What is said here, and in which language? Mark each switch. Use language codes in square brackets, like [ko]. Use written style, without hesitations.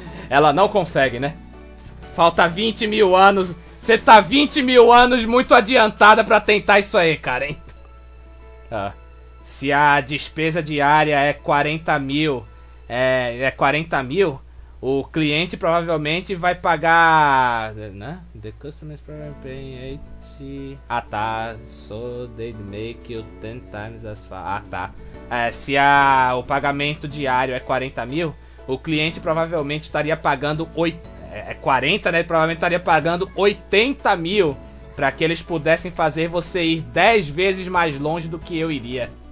[pt] Ela não consegue, né? Falta 20 mil anos. Você tá 20 mil anos muito adiantada pra tentar isso aí, cara, hein? Ah, se a despesa diária é 40 mil... É 40 mil... O cliente provavelmente vai pagar... Né? [en] The customer's probably paying 80... [pt] Ah, tá. [en] So they'd make you 10 times as far... [pt] Ah, tá. Se o pagamento diário é 40 mil, o cliente provavelmente estaria pagando... 40, né? Ele provavelmente estaria pagando 80 mil pra que eles pudessem fazer você ir 10 vezes mais longe do que eu iria.